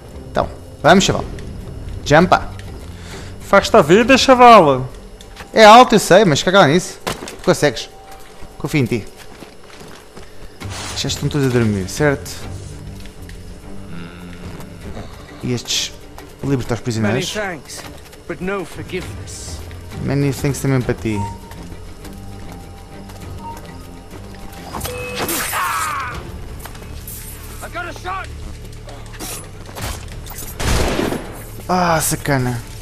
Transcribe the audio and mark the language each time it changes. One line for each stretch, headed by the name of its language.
Portuguese: Então, vamos, chaval! Jumpa! Faz-te a vida, chaval! É alto, eu sei, mas caga nisso. Tu consegues. Confio em ti. Já estão todos a dormir, certo? E estes... liberta os prisioneiros.
English: Many thanks, but no forgiveness. Many thanks
Portuguese: também para ti. Ah, sacana.